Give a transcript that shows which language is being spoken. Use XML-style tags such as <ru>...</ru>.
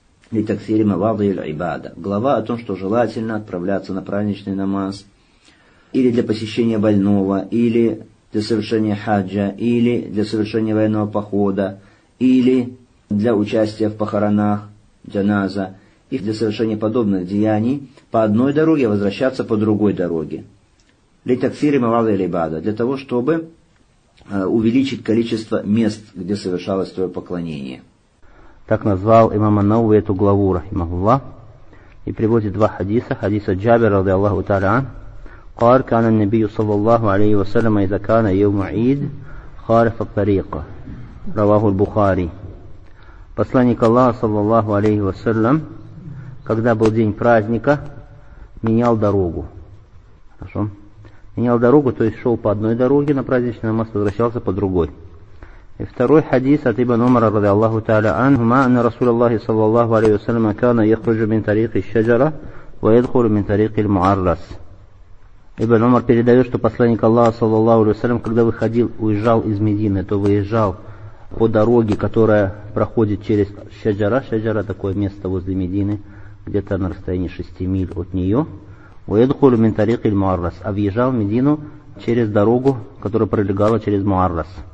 <ru>Ли таксири мавадии ль-ибада. Глава о том, что желательно отправляться на праздничный намаз, или для посещения больного, или для совершения хаджа, или для совершения военного похода, или для участия в похоронах, джаназа, и для совершения подобных деяний, по одной дороге возвращаться по другой дороге. Ли таксири мавады лейбада. Для того, чтобы увеличить количество мест, где совершалось твое поклонение. Так назвал имам ан-Науви эту главу, рахимахуллах. И приводит два хадиса. Хадиса Джабира, радиаллаху тааля ан.</ru> <ar>قال كان النبي صلى الله عليه وسلم إذا كان يوم عيد خالف الطريق رواه البخاري.</ar> <ru>Посланник Аллаха саллаллаху алейхи ва саллям, когда был день праздника, менял дорогу. Хорошо? Менял дорогу, то есть шел по одной дороге на праздничный намаз, возвращался по другой. И второй хадис от ибн Умара</ru> <ar>رضي الله تعالى عنه, ما أن رسول الله صلى الله عليه وسلم كان يخرج من طريق الشجرة ويدخل من طريق المعرس.</ar> <ru>Ибн Умар передает, что посланник Аллаха, саллаллаху алейхи ва саллям, когда выходил, уезжал из Медины, то выезжал по дороге, которая проходит через Шаджара. Шаджара – такое место возле Медины, где-то на расстоянии 6 миль от нее. «Уэдхулю мин тариқ аль-Муаррас». А въезжал в Медину через дорогу, которая пролегала через Муаррас.</ru>